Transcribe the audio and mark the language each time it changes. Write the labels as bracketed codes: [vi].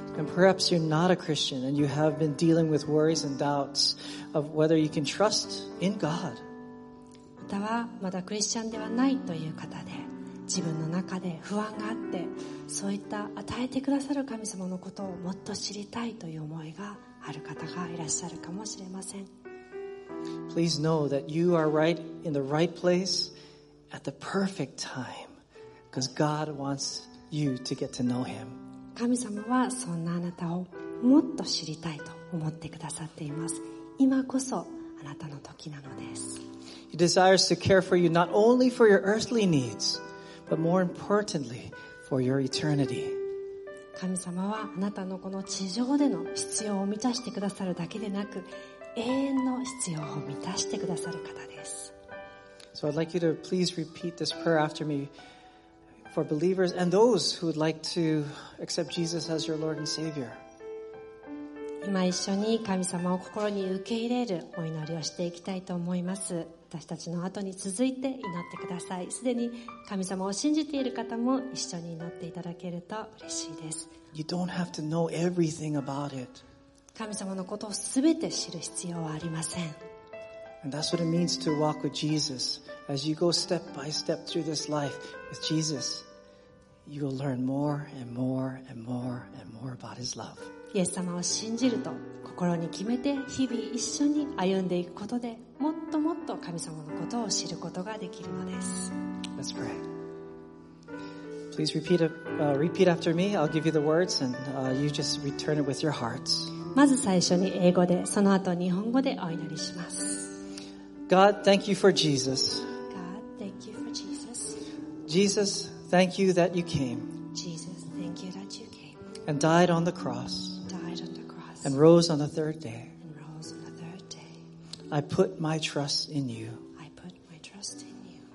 [en] And perhaps you're not a Christian and you have been dealing with worries and doubts of whether you can trust in God. [ja] またはまだクリスチャンではないという方で自分の中で不安があってそういった与えてくださる神様のことをもっと知りたいという思いがある方がいらっしゃるかもしれません。 [en] Please know that you are right in the right place at the perfect time because God wants you to get to know Him. [ja] 神様はそんなあなたをもっと知りたいと思ってくださっています。今こそあなたの時なのです。 [en] He desires to care for you not only for your earthly needs, but more importantly for your eternity. [ja] 神様はあなたのこの地上での必要を満たしてくださるだけでなく、永遠の必要を満たしてくださる方です。 [en] So I'd like you to please repeat this prayer after me. For believers and those who would like to accept Jesus as your Lord and Savior. [ja] 今一緒に神様を心に受け入れるお祈りをしていきたいと思います。私たちの後に続いて祈ってください。すでに神様を信じている方も一緒に祈っていただけると嬉しいです。 [en] You don't have to know everything about it. [ja] 神様のことをすべて知る必要はありません。 [en] And that's what it means to walk with Jesus. As you go step by step through this life with Jesus, you will learn more and more and more and more about His love. [ja] イエス様を信じると心に決めて日々一緒に歩んでいくことでもっともっと神様のことを知ることができるのです。 [en] Let's pray. Please repeat after me. I'll give you the words and you just return it with your hearts. [ja] まず最初に英語で、その後日本語でお祈りします。 [en] God, thank you for Jesus. God, thank you for Jesus. Jesus, thank you that you came. Jesus, thank you that you came. And died on the cross. Died on the cross. And rose on the third day. And rose on the third day. I put my trust in you. I put my trust in you.